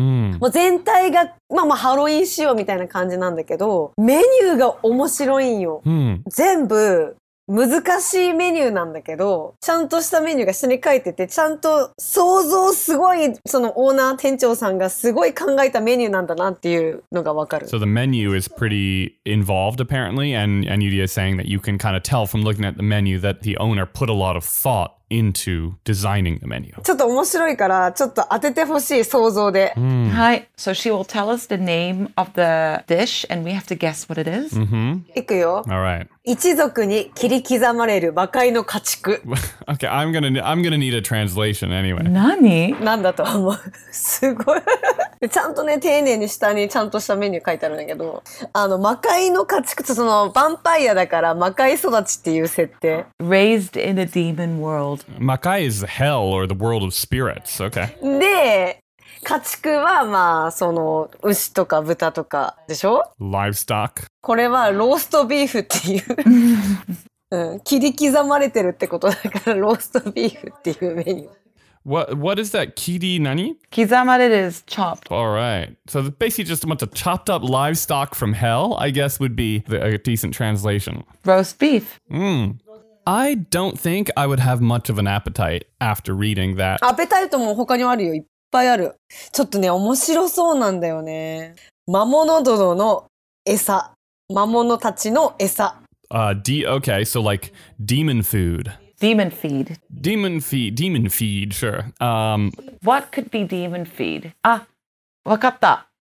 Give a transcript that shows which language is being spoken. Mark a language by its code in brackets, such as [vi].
[ja] もう全体が、まあまあハロウィン仕様みたいな感じなんだけど、メニューが面白いんよ。全部難しいメニューなんだけど、ちゃんとしたメニューが下に書いてて、ちゃんと想像すごい、そのオーナー店長さんがすごい考えたメニューなんだなっていうのがわかる。 [en] So the menu is pretty involved apparently, and Yuria is saying that you can kind of tell from looking at the menu that the owner put a lot of thoughtInto designing the menu. [ja] ちょっと面白いからちょっと当ててほしい想像で。はい。 [en] So she will tell us the name of the dish and we have to guess what it is. Mm-hmm. [ja] 行くよ。 [en] All right. [ja] 一族に切り刻まれる魔界の家畜。 [en] Okay, I'm gonna need a translation anyway. [ja] 何？なんだと思う。すごい。ちゃんとね、丁寧に下にちゃんとしたメニュー書いてあるんだけど、あの魔界の家畜とそのヴァンパイアだから魔界育ちっていう設定。 [en] Raised in a demon world. Makai is hell or the world of spirits, okay. [ja] で、家畜はまあその牛とか豚とかでしょ？ [en] Livestock. [ja] これはローストビーフっていう。切り刻まれてるってことだからローストビーフっていうメニュー。 [en] What is that? [ja] Kiri nani? [en] Kizamare is chopped. All right. So basically just a bunch of chopped up livestock from hell, I guess would be a decent translation. Roast beef. I don't think I would have much of an appetite after reading that. [ja] Appetite も他にあるよ。いっぱいある。ちょっとね、面白そうなんだよね。魔物殿の餌。魔物たちの餌。 [en] Okay, so like demon food. Demon feed. Demon feed, sure. What could be demon feed? [ja] あ、わかった。